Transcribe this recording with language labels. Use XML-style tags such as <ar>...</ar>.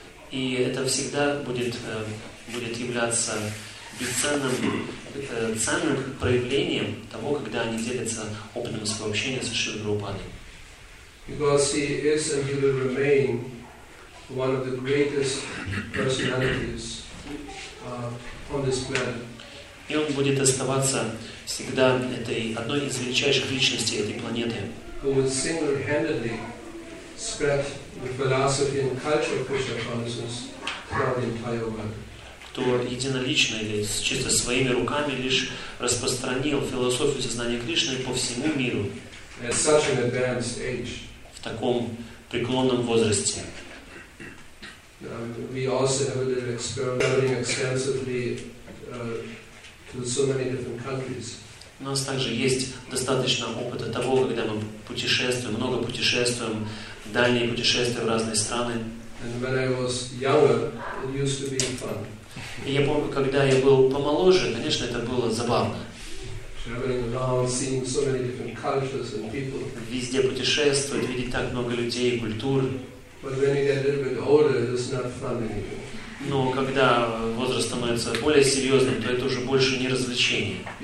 <ru>И это всегда будет являться бесценным, ценным проявлением того, когда они делятся опытом своего общения со Шрилой Прабхупадой.</ru> <en>Because he is and he will remain one of the greatest personalities on this planet.</en> <ru>И он будет оставаться всегда этой одной из величайших личностей этой планеты.</ru> <en>Who would single-handedly spread the philosophy and culture of Krishna consciousness throughout the entire world.</en> <ru>Кто единолично или чисто своими руками лишь распространил философию сознания Кришны по всему миру.</ru> <en>At such an advanced age.</en> <ru>В таком преклонном возрасте.</ru> <en>We also have a little experience learning extensively to so many different countries.</en> <ru>У нас также есть достаточно опыта того, когда мы путешествуем, много путешествуем, дальние путешествия в разные страны.</ru> <en>And when I was younger, it used to be fun.</en> <ru>И я помню, когда я был помоложе, конечно, это было забавно.</ru> <en>Traveling around, seeing so many different cultures and people.</en> <ru>Везде путешествовать, видеть так много людей и культур.</ru> <en>But when you get a little bit older, it's not fun anymore.</en> <ru>Но когда возраст становится более серьезным, то это уже больше не развлечение.</ru>